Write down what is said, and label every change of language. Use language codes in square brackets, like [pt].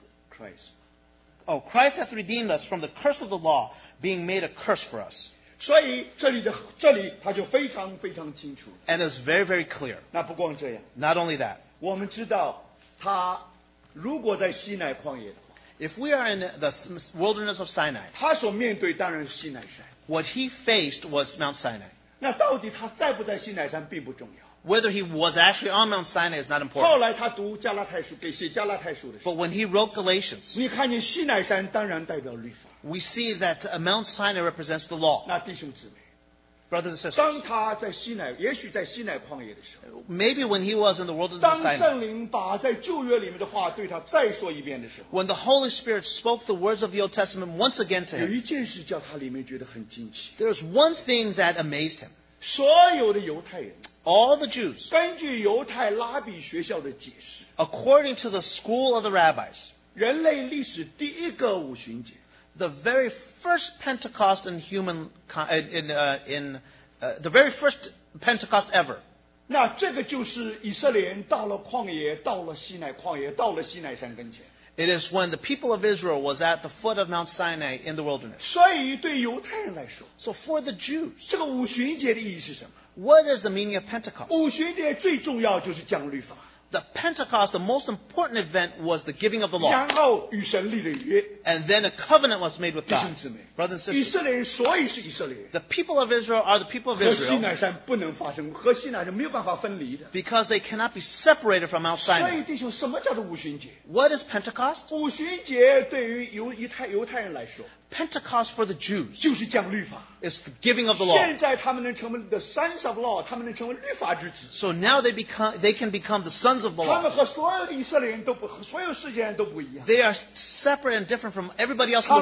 [en] Christ hath redeemed us from the curse of the law, being made a curse for us. [zh] 所以这里他就非常非常清楚。 [en] And it's very, very clear. [zh] 那不光这样。 [en] Not only that. [zh] 我们知道他如果在西乃旷野。 [en] If we are in the wilderness of Sinai, [zh] 他所面对当然是西乃山。 [en] What he faced was Mount Sinai. [zh] 那到底他在不在西乃山并不重要。 [en] Whether he was actually on Mount Sinai is not important. [zh] 后来他读加拉太书，给写加拉太书的时候。 [en] But when he wrote Galatians, [zh] 你看见西乃山当然代表律法。 [en] We see that Mount Sinai represents the law. [zh] 那弟兄姊妹。 [en] Brothers and sisters, [zh] 当他在西乃，也许在西乃旷野的时候 [en] ，Maybe when he was in the wilderness of Sinai， [zh] 当圣灵把在旧约里面的话对他再说一遍的时候 [en] ，When the Holy Spirit spoke the words of the Old Testament once again to him， [zh] 有一件事叫他里面觉得很惊奇。 [en] There's one thing that amazed him。 [zh] 所有的犹太人 [en] ，All the Jews， [zh] 根据犹太拉比学校的解释 [en] ，According to the school of the rabbis， [zh] 人类历史第一个五旬节。 [en] The very first Pentecost in human the very first Pentecost ever. [zh] 那这个就是以色列人到了旷野，到了西乃旷野，到了西乃山跟前。 [en] It is when the people of Israel was at the foot of Mount Sinai in the wilderness. [zh] 所以对犹太人来说 [en] ，So for the Jews, [zh] 这个五旬节的意义是什么 [en] ？What is the meaning of Pentecost? [zh] 五旬节最重要就是讲律法。 [en] The Pentecost, the most important event was the giving of the law. [zh] 然后与神立了约。 [en] And then a covenant was made with God. [zh] 弟兄姊妹 [en] brothers and sisters. [zh] 以色列人所以是以色列人。 [en] The people of Israel are the people of Israel. [zh] 和西乃山不能发生，和西乃山没有办法分离的。 [en] Because they cannot be separated from Mount Sinai. [zh] 所以弟兄，什么叫做五旬节？ [en] What is Pentecost? [zh] 五旬节对于犹太人来说。 [en] Pentecost for the Jews [zh] 就是讲律法 [en] is the giving of the law. [zh] 现在他们能成为 [en] the sons of law， [zh] 他们能成为律法之子。 [en] So now they can become the sons of the law. [zh] 他们和所有的以色列人都不和所有世界人都不一样。 [en] They are separate and different from everybody else in the world.